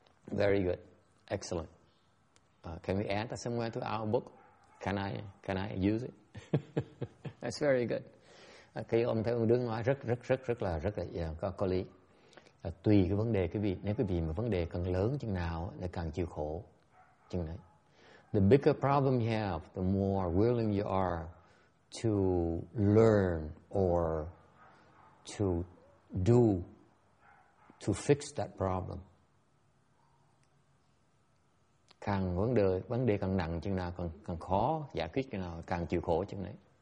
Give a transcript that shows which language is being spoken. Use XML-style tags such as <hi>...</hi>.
<en>Very good. Excellent. Can we add that somewhere to our book? Can I use it? That's very good.</en> <vi>Cái ông thấy ông đứng nói rất là yeah, có lý. Tùy cái vấn đề quý vị, nếu quý vị mà vấn đề càng lớn chừng nào là càng chịu khổ chừng đấy.</vi> <en>The bigger problem you have, the more willing you are to learn or to do to fix that problem.</en> <vi>Càng vấn đề càng nặng chừng nào, càng khó giải quyết chừng nào, càng chịu khổ chừng đấy.</vi>